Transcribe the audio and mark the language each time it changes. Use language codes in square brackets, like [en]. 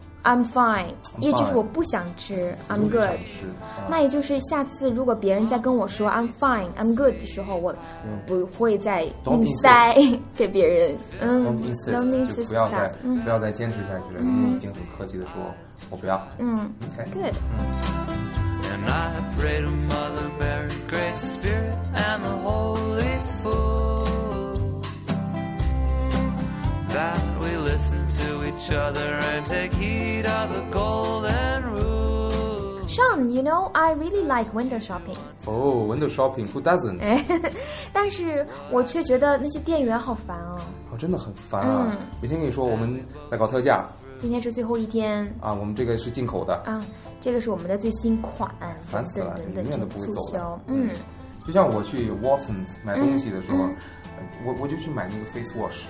[en] I'm fine. [zh] 也就是我不想吃。 [en] I'm good. [zh] 那也就是下次如果别人再跟我说 [en] I'm fine, I'm good [zh] 的时候，我不会再硬塞给别人。 [en] Don't insist. [zh] 不要再坚持下去了。你已经很客气的说，我不要。 [en] Good. And I pray to Mother Mary, Great Spirit, and the Holy Fool. That we listen to each other and take heed of the golden rule. Sean, you know, I really like window shopping. Oh, window shopping, who doesn't? [zh] 但是我却觉得那些店员好烦哦。哦，真的很烦啊。每天跟你说我们在搞特价。今天是最后一天。啊，我们这个是进口的。啊，这个是我们的最新款。烦死了，永远都不会走的。就像我去 Watson's 买东西的时候，嗯嗯，我就去买那个 [en] face wash